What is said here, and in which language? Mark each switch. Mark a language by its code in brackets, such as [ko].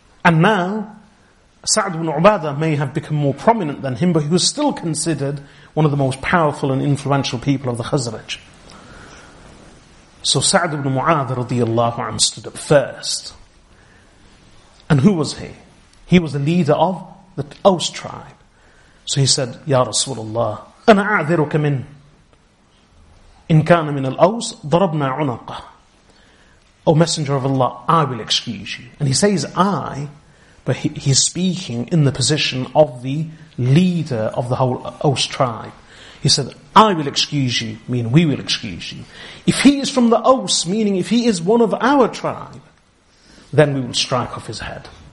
[en] And now, Sa'd ibn Ubadah may have become more prominent than him, but he was still considered one of the most powerful and influential people of the Khazraj. So Sa'd ibn Mu'adh radiyallahu anhu stood up first. And who was he? He was the leader of the Aws tribe. So he said, [ar] Ya Rasulullah, أنا أعذرك من إن كان من الأوس ضربنا عنقه. [en] O Messenger of Allah, I will excuse you. And he says, I, but he's speaking in the position of the leader of the whole Aws tribe. He said, I will excuse you, meaning we will excuse you. If he is from the Aws, meaning if he is one of our tribe, then we will strike off his head.